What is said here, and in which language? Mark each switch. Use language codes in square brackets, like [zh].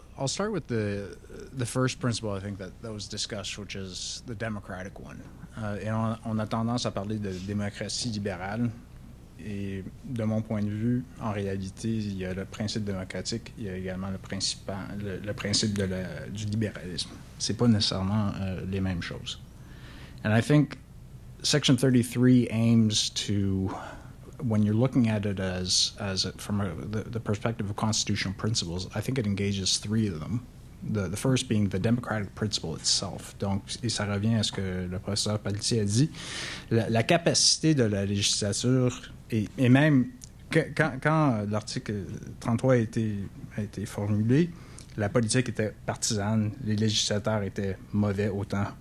[en] I'll start with the first principle I think that was discussed, which is the democratic one. [fr] Et on a tendance à parler de démocratie libérale. Et de mon point de vue, en réalité, il y a le principe démocratique, il y a également le principe du libéralisme. C'est pas nécessairement les mêmes choses. [en] And I think Section 33 aims to, when you're looking at it from the perspective of constitutional principles, I think it engages three of them. The first being the democratic principle itself. [fr] Donc, et ça revient à ce que le professeur Pelletier a dit, la capacité de la législature. Et même quand l'article 33 a été formulé, la politique était partisane, les législateurs étaient mauvais autant.